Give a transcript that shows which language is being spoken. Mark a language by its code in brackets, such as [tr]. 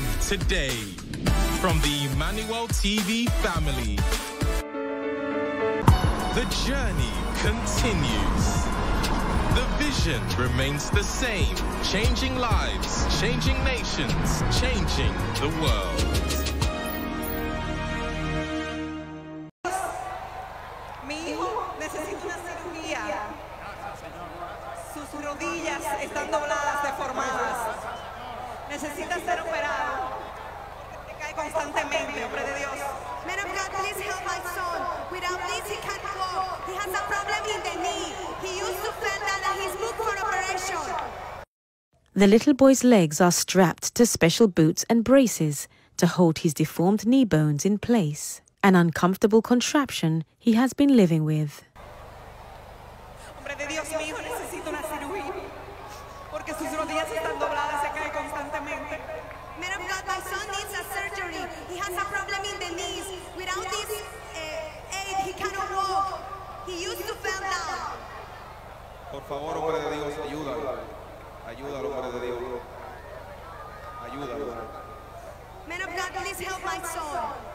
[en] today from the Emmanuel TV family. The journey continues. The vision remains the same, changing lives, changing nations, changing the world. [es] Mi hijo necesita una cirugía. Sus rodillas están dobladas, deformadas. Necesita ser operado. Te cae constantemente, hombre de Dios. [en] Man of God, please help my son. Without this, he can't walk. He has a problem in the knee. He used to fall down and he's moved for operation. The little boy's legs are strapped to special boots and braces to hold his deformed knee bones in place, an uncomfortable contraption he has been living with. [es] Hombre de Dios, mi hijo necesita una cirugía porque sus rodillas están dobladas, se cae constantemente. [en] Man of God, my son needs a surgery. He has a problem in the knees. Without this aid, he cannot walk. He used to fall down. [es] Por favor, hombre de Dios, ayúdalo. Ayúdalo, hombre de Dios. Ayúdalo. [en] Man of God, please help my son.